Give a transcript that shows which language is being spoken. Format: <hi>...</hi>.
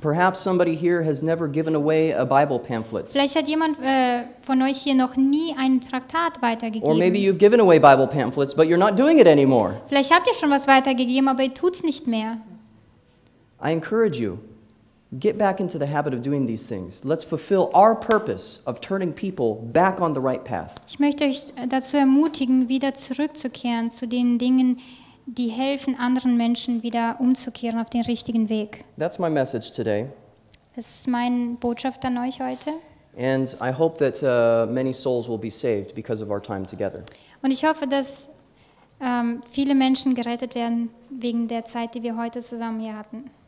<en>Perhaps somebody here has never given away a Bible pamphlet.</en> <de>Vielleicht hat jemand von euch hier noch nie einen Traktat weitergegeben.</de> <en>Or maybe you've given away Bible pamphlets, but you're not doing it anymore.</en> <de>Vielleicht habt ihr schon was weitergegeben, aber ihr tut's nicht mehr.</de> <en>I encourage you, get back into the habit of doing these things. Let's fulfill our purpose of turning people back on the right path.</en> <de>Ich möchte euch dazu ermutigen, wieder zurückzukehren zu den Dingen, die helfen, anderen Menschen wieder umzukehren auf den richtigen Weg.</de> <en>That's my message today.</en> <de>Das ist meine Botschaft an euch heute.</de> <en>And I hope that many souls will be saved because of our time together.</en> <de>Und ich hoffe, dass viele Menschen gerettet werden wegen der Zeit, die wir heute zusammen hier hatten.</de>